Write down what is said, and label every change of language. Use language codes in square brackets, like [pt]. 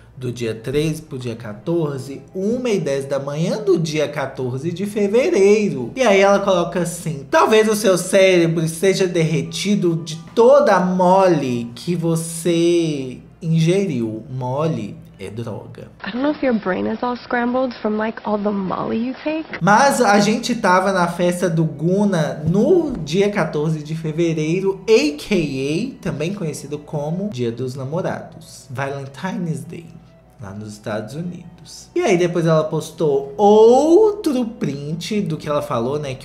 [pt] Do dia 13 pro dia 14, 1h10 da manhã do dia 14 de fevereiro. E aí ela coloca assim: talvez o seu cérebro esteja derretido de toda a mole que você ingeriu. Mole é droga. [en] I don't know if your brain is all scrambled from like all the molly you take. [pt] Mas a gente tava na festa do Guna no dia 14 de fevereiro, aka, também conhecido como Dia dos Namorados, Valentine's Day, lá nos Estados Unidos. E aí depois ela postou outro print do que ela falou, né?